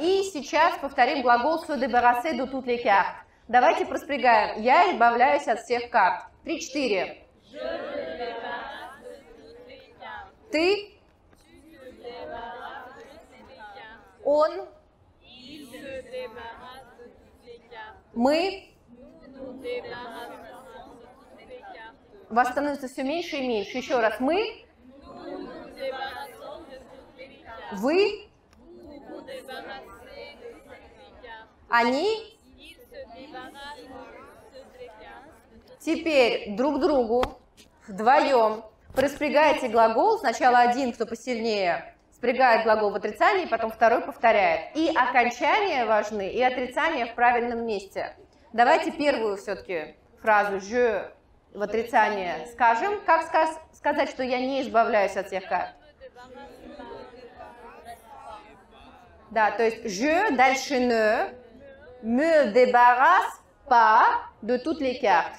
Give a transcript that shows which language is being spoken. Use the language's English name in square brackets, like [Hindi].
[Russian] И сейчас повторим глагол [French] se débarrasser de toutes les cartes. [Russian] Давайте проспрягаем. Я избавляюсь от всех карт. 3-4. Ты. Он. Мы. Вас становится все меньше и меньше. Еще раз. Мы. Вы. Они. Теперь друг другу, вдвоем, проспрягайте глагол. Сначала один, кто посильнее, спрягает глагол в отрицании, потом второй повторяет. И окончания важны, и отрицания в правильном месте. Давайте первую все-таки фразу «je» в отрицание скажем. Как сказать, что я не избавляюсь от всех карт? Да, то есть [French] «je» дальше «ne» «me débarrasse pas de toutes les cartes».